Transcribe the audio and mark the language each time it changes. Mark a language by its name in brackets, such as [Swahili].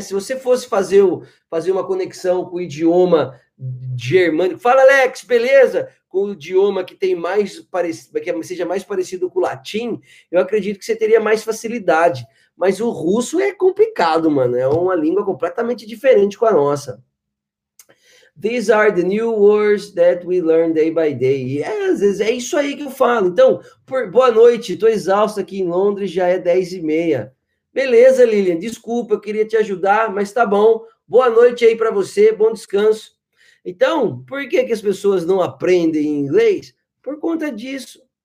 [Portuguese] Se você fosse fazer uma conexão com o idioma germânico, fala Alex, beleza? Com o idioma que tem mais que seja mais parecido com o latim, eu acredito que você teria mais facilidade. Mas o russo é complicado, mano. É uma língua completamente diferente com a nossa. [English] These are the new words that we learn day by day. [Portuguese] Yes, é isso aí que eu falo. Então, boa noite, estou exausto aqui em Londres, já é 10h30. Beleza, Lilian, desculpa, eu queria te ajudar, mas tá bom. Boa noite aí para você, bom descanso. Então, por que que as pessoas não aprendem inglês? Por conta disso.